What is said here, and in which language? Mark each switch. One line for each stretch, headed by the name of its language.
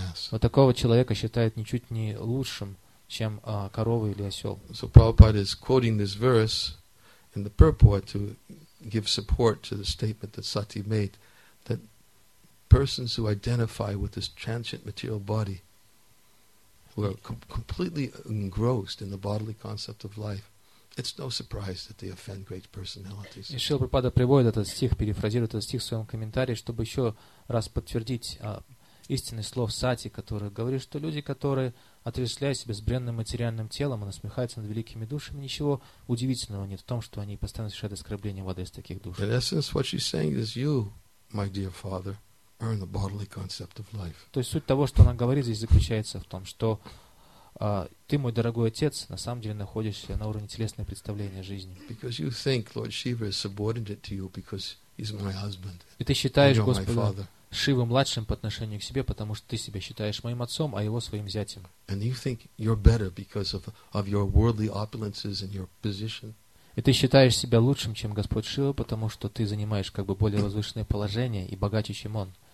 Russian: Вот такого человека считают ничуть не лучшим, чем корова или осел.
English: So Prabhupada is quoting this verse in the purport to give support to the statement that Sati made that persons who identify with this transient material body who are completely engrossed in the bodily concept of life, it's no surprise that they offend great personalities.
Russian: И Шрила Прабхупада приводит этот стих, перефразирует этот стих в своем комментарии, чтобы еще раз подтвердить истинный слов Сати, который говорит, что люди, которые отрешляют себя с бренным материальным телом и насмехаются над великими душами, ничего удивительного нет в том, что они постоянно совершают оскорбления в адрес таких душ.
English: In essence, what she's saying is you, my dear father, earn the bodily concept of life.
Russian: То есть суть того, что она говорит здесь, заключается в том, что ты, мой дорогой отец, на самом деле находишься на уровне телесного представления жизни.
English: Because you think Lord Shiva is subordinate to you because he's my husband.
Russian: И ты считаешь Господа Шиву младшим по отношению к себе, потому что ты себя считаешь моим отцом, а его своим зятем.
English: And you think you're better because of your worldly opulences and your position.
Russian: И ты считаешь себя лучшим, чем Господь Шива, потому что ты занимаешь как бы более возвышенное положение и богаче, чем Он.